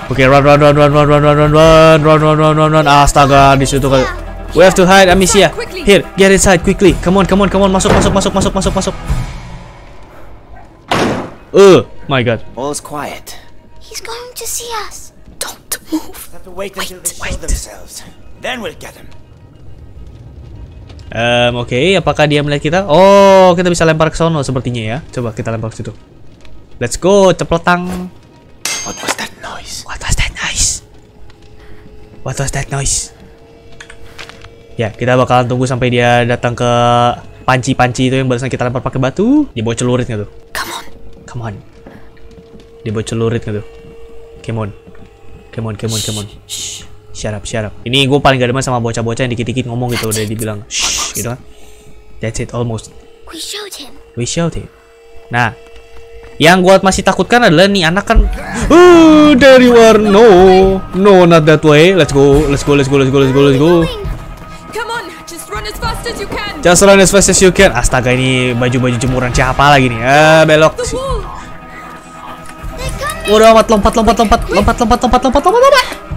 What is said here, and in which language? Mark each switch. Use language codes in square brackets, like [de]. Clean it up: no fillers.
[en] Okay, run, run, run, run, run, run, run, run, run, run, run, run, run, run. [id] Astaga, di situ kau. [en] We have to hide, Amicia. Here, get inside quickly. Come on, come on, come on. [id] Masuk, masuk, masuk, masuk, masuk, masuk. [en] Oh my god. All's quiet. He's going to see us. Don't move. Have to wait until they show themselves. Then we'll get him. Okay. [id] Apakah dia melihat kita? Oh, kita bisa lempar ke sono sepertinya ya. Coba kita lempar ke situ. [en] Let's go, cepletang. What was that noise? What was that noise? What was that noise? [id] Ya, kita bakalan tunggu sampai dia datang ke panci-panci itu yang barusan kita lempar pakai batu. Dia bawa celurit gak tuh? [en] Come on. Come on. [id] Dia bawa celurit gak tuh? [en] Come on. Come on, come on, come on. Shut up, shut up. [id] Ini gue paling gak demen sama bocah-bocah yang dikit-dikit ngomong gitu. Udah dibilang shh gitu kan. [en] That's it, almost. We showed him. We showed him. [id] Nah, yang gue masih takutkan adalah nih anak kan. Dari war. [en] No, no, not that way. Let's go, let's go, let's go, let's go, let's go, let's go. Just run as fast as you can. [id] Astaga, ini baju-baju jemuran siapa lagi nih? Belok. Udah amat, lompat, lompat, lompat, lompat, lompat, lompat, lompat, lompat, lompat.